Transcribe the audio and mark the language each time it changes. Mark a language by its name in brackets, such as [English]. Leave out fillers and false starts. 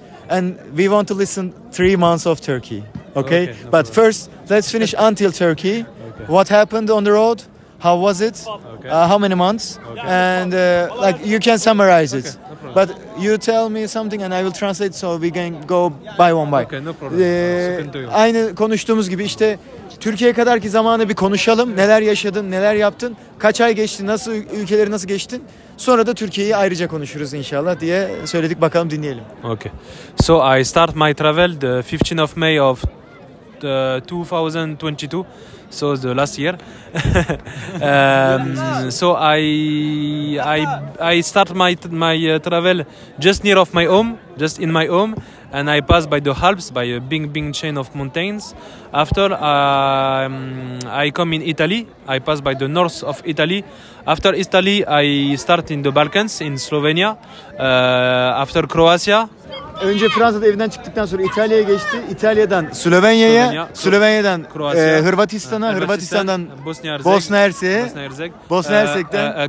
[English] and we want to listen 3 months of Turkey. Okay, no but problem. First, let's finish until Turkey. Okay. What happened on the road? How was it? Okay. How many months? Okay. And like you can summarize it. Okay. No, but you tell me something and I will translate, so we can go by one by. Okay, no problem. [Turkish] Aynı konuştuğumuz gibi işte Türkiye'ye kadar ki zamanı bir konuşalım. Neler yaşadın, neler yaptın, kaç ay geçti, nasıl ülkeleri nasıl geçtin? Sonra da Türkiye'yi ayrıca konuşuruz inşallah diye söyledik. Bakalım dinleyelim. [English] Okay. So I start my travel the 15th of May of 2022. So the last year. So I start my travel just near of my home, just in my home, and I pass by the Alps, by a big chain of mountains. After I come in Italy, I pass by the north of Italy. After Italy, I start in the Balkans, in Slovenia. After Croatia. [Turkish] Önce Fransa'da evinden çıktıktan sonra İtalya'ya geçti. İtalya'dan Slovenya'ya, Slovenya'dan Kroasya, Hırvatistan'a, Hırvatistan'dan Bosna-Hersek'e, Bosna-Hersek'ten